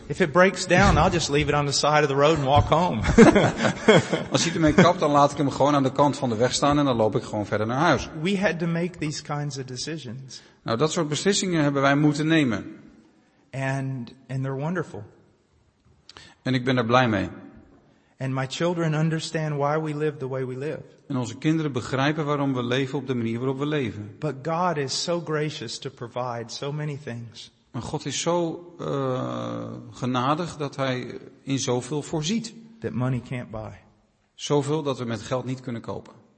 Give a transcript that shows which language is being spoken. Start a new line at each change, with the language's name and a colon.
English: If it breaks down, I'll just leave it on the side of the road and walk home.
Dutch: Als hij ermee kapt, dan laat ik hem gewoon aan de kant van de weg staan en dan loop ik gewoon verder naar huis.
English: We had to make these kinds of decisions.
Dutch: Nou, dat soort beslissingen hebben wij moeten nemen.
English: And they're wonderful.
Dutch: En ik ben er blij mee.
English: And my children understand why we live the way we live.
Dutch: En onze kinderen begrijpen waarom we leven op de manier waarop we leven.
English: But God is so gracious to provide so many things.
Dutch: Maar God is zo genadig dat hij in zoveel voorziet.
English: That money can't buy.
Dutch: Zoveel dat we met geld niet kunnen kopen.